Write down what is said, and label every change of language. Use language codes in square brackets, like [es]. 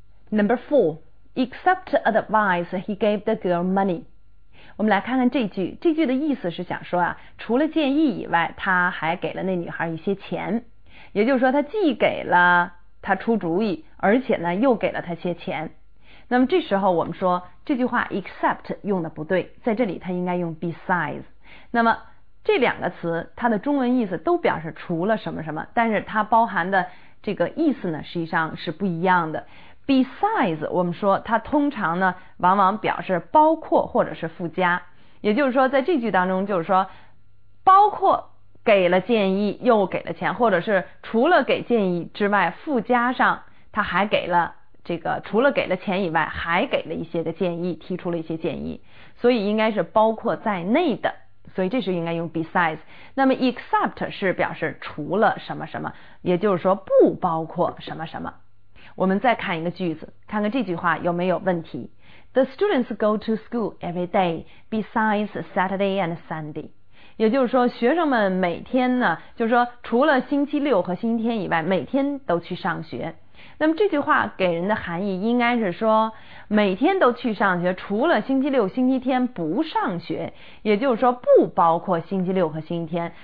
[en] Number four, accept advice he gave the girl money. [zh] 我们来看看这句，这句的意思是想说啊，除了建议以外，他还给了那女孩一些钱。也就是说，他既给了他出主意，而且呢又给了他些钱。那么这时候我们说这句话 accept 用的不对，在这里他应该用 besides。那么这两个词它的中文意思都表示除了什么什么，但是它包含的这个意思呢实际上是不一样的。 Besides， 我们说它通常呢往往表示包括或者是附加，也就是说在这句当中就是说包括给了建议又给了钱，或者是除了给建议之外附加上他还给了这个，除了给了钱以外还给了一些个建议，提出了一些建议，所以应该是包括在内的，所以这是应该用 besides。那么 except 是表示除了什么什么，也就是说不包括什么什么。我们再看一个句子，看看这句话有没有问题。 [en] The students go to school every day besides Saturday and Sunday. [zh] 也就是说学生们每天呢，就是说除了星期六和星期天以外每天都去上学。那么这句话给人的含义应该是说每天都去上学，除了星期六星期天不上学，也就是说不包括星期六和星期天。